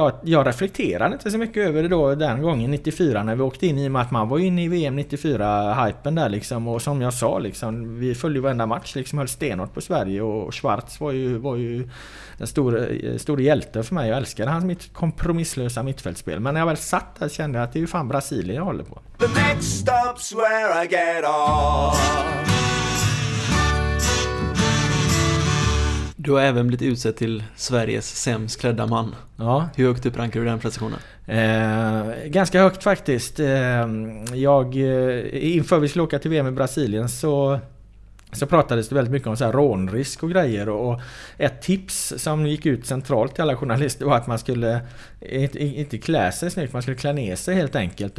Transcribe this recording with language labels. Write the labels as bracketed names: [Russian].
[Swedish] Jag reflekterade inte så mycket över det då den gången 94 när vi åkte in, i och med att man var inne i VM 94-hypen där liksom. Och som jag sa liksom, vi följde varenda match liksom, höll stenhårt på Sverige, och Schwarz var ju en stor hjälte för mig. Jag älskade hans mitt kompromisslösa mittfältspel. Men när jag väl satt där kände jag att det är ju fan Brasilien jag håller på. [English] The next stop's where I get off. [Swedish] Du har även blivit utsedd till Sveriges sämst klädda man. Ja. Hur högt upp rankar du den prestationen? Ganska högt faktiskt. Jag, inför vi skulle åka till VM i Brasilien, så så pratades det väldigt mycket om så här rånrisk och grejer, och ett tips som gick ut centralt till alla journalister var att man skulle inte klä sig snyggt, man skulle klä ner sig helt enkelt.